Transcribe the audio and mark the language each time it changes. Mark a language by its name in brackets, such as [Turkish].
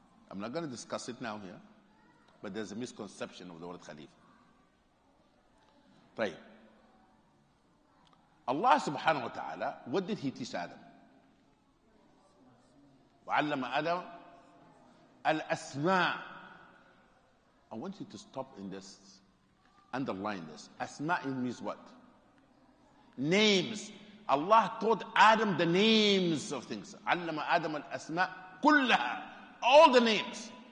[English] I'm not going to discuss it now here, but there's a misconception of the word Khalifa. Right. Allah subhanahu wa ta'ala, what did he teach Adam? [Arabic] وَعَلَّمَ Adam الْأَسْمَاءِ. [English] I want you to stop in this, underline this. أَسْمَاءِ means what? Names. Allah taught Adam the names of things. [Arabic] عَلَّمَ أَدَمَ الْأَسْمَاءِ كُلَّهَا. [English] All the names.